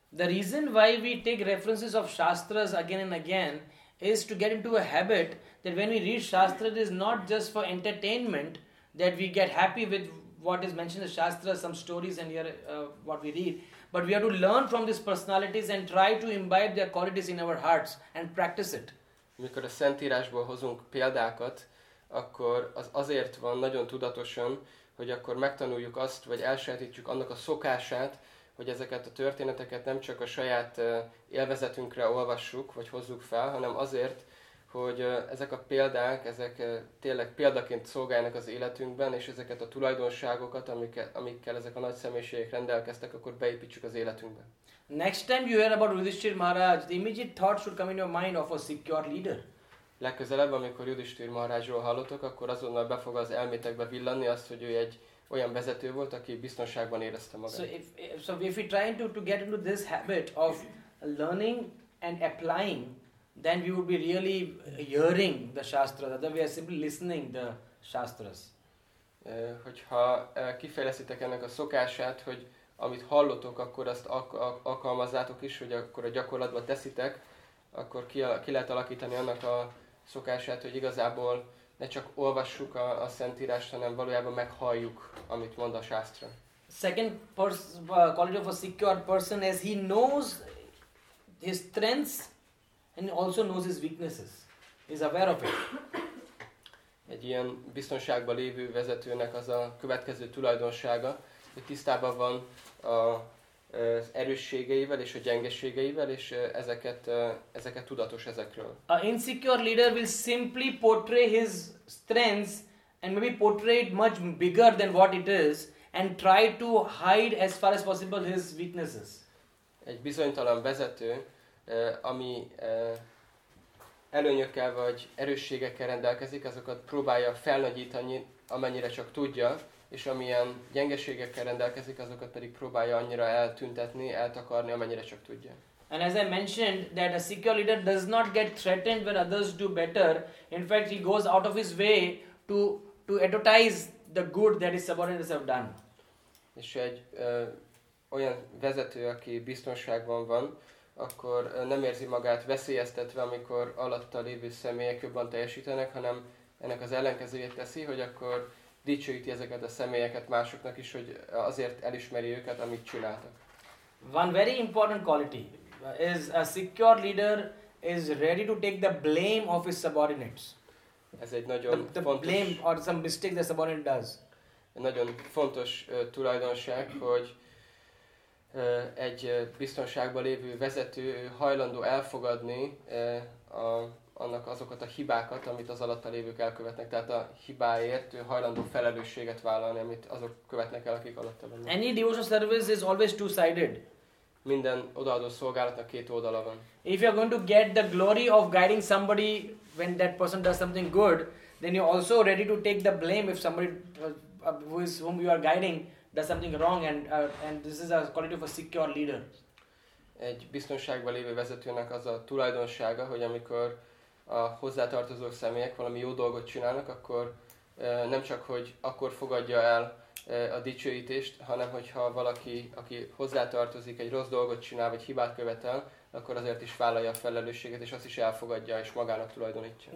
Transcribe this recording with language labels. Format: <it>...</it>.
<en>The reason why we take references of Shastras again and again is to get into a habit that when we read Shastras, it is not just for entertainment, that we get happy with what is mentioned in the Shastras, some stories and here what we read. But we have to learn from these personalities and try to imbibe their qualities in our hearts and practice it.</en> <hu>Amikor a Szentírásból hozunk példákat, akkor az azért van nagyon tudatosan, hogy akkor megtanuljuk azt, vagy elsajátítjuk annak a szokását, hogy ezeket a történeteket nem csak a saját élvezetünkre olvassuk, vagy hozzuk fel, hanem azért, hogy ezek a példák, ezek tényleg példaként szolgálnak az életünkben, és ezeket a tulajdonságokat, amikkel ezek a nagy személyiségek rendelkeztek, akkor beépítsük az életünkbe.</hu> <en>Next time you hear about Yudhishthir Maharaj, the immediate thought should come in your mind of a secure leader.</en> <hu>Legközelebb, amikor Yudhishthir Maharajról hallotok, akkor azonnal be fog az elmétekbe villanni azt, hogy ő egy olyan vezető volt, aki biztonságban érezte magát.</hu> <en>So if we try to get into this habit of learning and applying, then we would be really hearing the Shastras, other we are simply listening the Shastras.</en> <hu>Hogyha kifejlesztitek ennek a szokását, hogy amit hallotok, akkor azt alkalmazzátok is, hogy akkor a gyakorlatba teszitek, akkor ki lehet alakítani annak a szokását, hogy igazából ne csak olvassuk a Szentírást, hanem valójában meghalljuk, amit mond a Shastra.</hu> <en>Second quality of a secure person is he knows his strengths, and also knows his weaknesses. He's aware of it.</en> <hu>Egy ilyen biztonságban lévő vezetőnek az a következő tulajdonsága, hogy tisztában van az erősségeivel és a gyengeségeivel, és ezeket tudatos ezekről.</hu> <en>A insecure leader will simply portray his strengths and maybe portray it much bigger than what it is and try to hide as far as possible his weaknesses.</en> <hu>Egy bizonytalan vezető, ami előnyökkel vagy erősségekkel rendelkezik, azokat próbálja felnagyítani, amennyire csak tudja, és amilyen gyengeségekkel rendelkezik, azokat pedig próbálja annyira eltüntetni, eltakarni, amennyire csak tudja.</hu> <en>And as I mentioned, that a secure leader does not get threatened when others do better. In fact, he goes out of his way to advertise the good that his subordinates have done.</en> <hu>És egy olyan vezető, aki biztonságban van, akkor nem érzi magát veszélyeztetve, amikor alatta lévő személyek jobban teljesítenek, hanem ennek az ellenkezőjét teszi, hogy akkor dicsőíti ezeket a személyeket másoknak is, hogy azért elismeri őket, amit csináltak.</hu> <en>One very important quality is a secure leader is ready to take the blame of his subordinates.</en> <hu>Ez egy nagyon</hu> <en>the</en> <hu>fontos...</hu> <en>blame or some mistake the subordinate does.</en> <hu>Nagyon fontos tulajdonság, hogy egy biztonságban lévő vezető hajlandó elfogadni annak azokat a hibákat, amit az alatta lévők elkövetnek. Tehát a hibáért hajlandó felelősséget vállalni, amit azok követnek el, akik alatta vannak.</hu> <en>Any devotional service is always two-sided.</en> <hu>Minden odaadó szolgálatnak két oldala van.</hu> <en>If you are going to get the glory of guiding somebody when that person does something good, then you are also ready to take the blame if somebody with whom you are guiding does something wrong, and this is a quality of a secure leader.</en> <hu>Egy biztonságban lévő vezetőnek az a tulajdonsága, hogy amikor a hozzátartozó személyek valami jó dolgot csinálnak, akkor nem csak hogy akkor fogadja el a dicsőítést, hanem hogyha valaki, aki hozzátartozik, egy rossz dolgot csinál, vagy hibát követel, akkor azért is vállalja a felelősséget, és azt is elfogadja, és magának tulajdonítja.</hu>